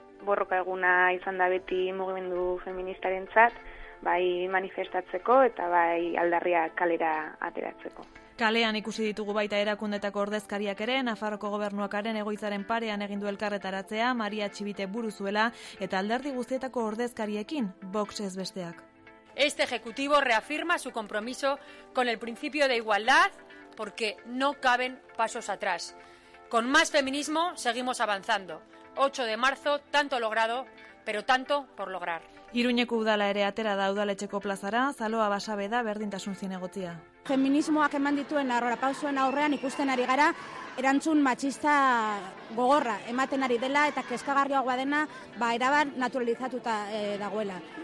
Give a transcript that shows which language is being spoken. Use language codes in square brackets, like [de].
[eu] Borroka eguna izan da beti mugimendu feministarentzat, bai manifestatzeko eta bai aldarria kalera ateratzeko. Kalean ikusi ditugu baita erakundetako ordezkariak ere, Nafarroko gobernuakaren egoitzaren parean egindu elkarretaratzea, Maria Txibite buruzuela eta alderdi guztietako ordezkariekin, Vox ez besteak. [es] Este ejecutivo reafirma su compromiso con el principio de igualdad porque no caben pasos atrás. Con más feminismo seguimos avanzando. 8 de marzo, tanto logrado, pero tanto por lograr. [eu] Iruñeko udala ere atera da udaletxeko plazara, Zaloa Basabe da berdintasun zinegotzia. Feminismoak eman dituen aurrerapausoen aurrean ikusten ari gara, erantzun matxista gogorra ematen ari dela eta kezkagarriagoa dena ba erabat naturalizatuta dagoela.